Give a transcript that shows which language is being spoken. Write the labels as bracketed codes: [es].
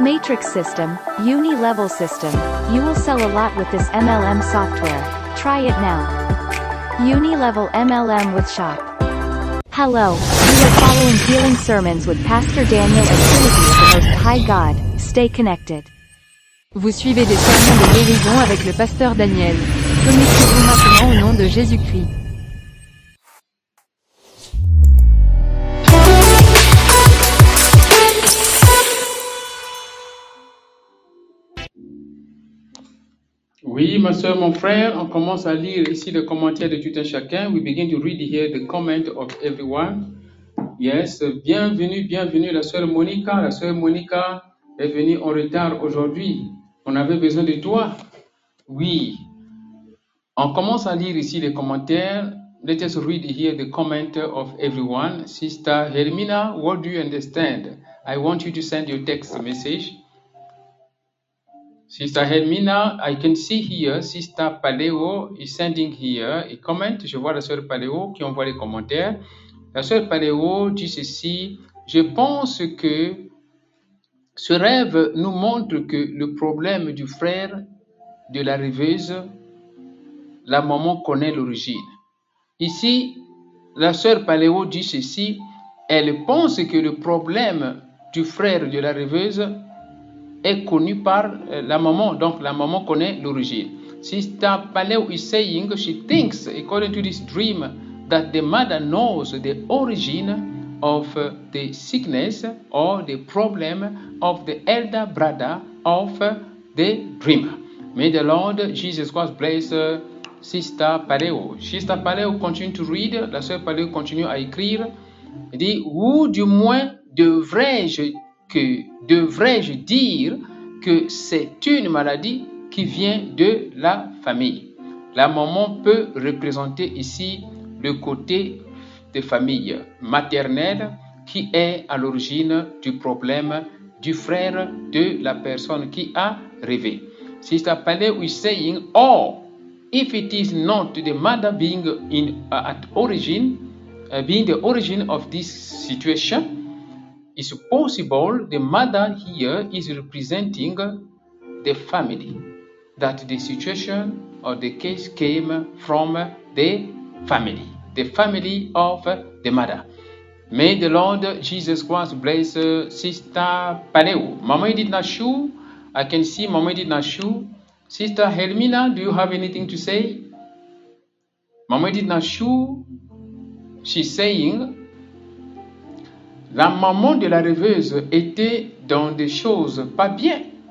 [en] Matrix system, uni-level system. You will sell a lot with this MLM software. Try it now. Uni-level MLM with Shop. Hello, you are following Healing Sermons with Pastor Daniel and Trinity of the Most High God. Stay connected. [fr] Vous suivez des sermons de guérison avec le Pasteur Daniel. Connectez-vous maintenant au nom de Jésus-Christ. Oui, ma soeur, mon frère, on commence à lire ici le commentaire de tout un chacun. [en] We begin to read here the comment of everyone. [fr] Yes, bienvenue, bienvenue, la soeur Monica. La soeur Monica est venue en retard aujourd'hui. On avait besoin de toi. Oui. On commence à lire ici les commentaires. [en] Let us read here the comment of everyone. Sister Hermina, what do you understand? I want you to send your text message. Sister Hermina, I can see here, Sister Paleo is sending here a comment. [fr] Je vois la sœur Paleo qui envoie les commentaires. La sœur Paleo dit ceci, je pense que ce rêve nous montre que le problème du frère de la rêveuse, la maman connaît l'origine. Ici, la sœur Paleo dit ceci, elle pense que le problème du frère de la rêveuse est connue par la maman, donc la maman connaît l'origine. [en] Sister Paleo is saying she thinks, according to this dream, that the mother knows the origin of the sickness or the problem of the elder brother of the dreamer. May the Lord Jesus Christ bless Sister Paleo. Sister Paleo continue to read, [fr] la sœur Paleo continue à écrire, dit, ou du moins devrais-je dire que c'est une maladie qui vient de la famille. La maman peut représenter ici le côté de famille maternelle qui est à l'origine du problème du frère de la personne qui a rêvé. [en] Sister Paleo is saying, or if it is not the mother being in at origin, being the origin of this situation, it's possible the mother here is representing the family, that the situation or the case came from the family of the mother. May the Lord Jesus Christ bless Sister Paleo. Mama Edith Nashu, I can see Mama Edith Nashu. Sister Hermina, do you have anything to say? [fr] Mama Edith Nashu, [en] she's saying, [fr] la maman de la rêveuse était dans des choses pas bien.